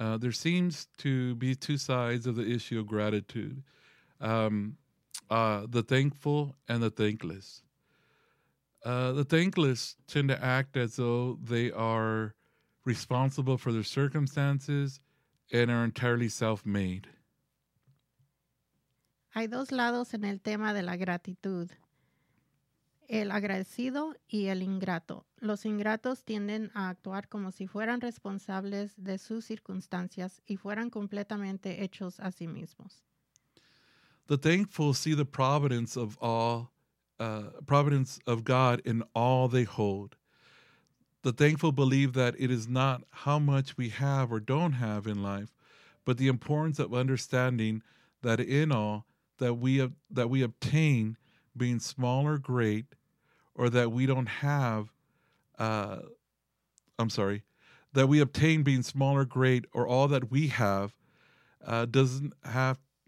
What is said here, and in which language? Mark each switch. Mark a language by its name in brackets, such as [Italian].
[English] There seems to be two sides of the issue of gratitude. The thankful and the thankless. The thankless tend to act as though they are responsible for their circumstances and are entirely self-made. [Spanish] Hay dos lados en el tema de la gratitud. El agradecido y el ingrato. Los ingratos tienden a actuar como si fueran responsables de sus circunstancias y fueran completamente hechos a sí mismos. [English] The thankful see the providence of God in all they hold. The thankful believe that it is not how much we have or don't have in life, but the importance of understanding that in all that we obtain, being small or great, or that we don't have, that we obtain being small or great, or all that we have, doesn't have.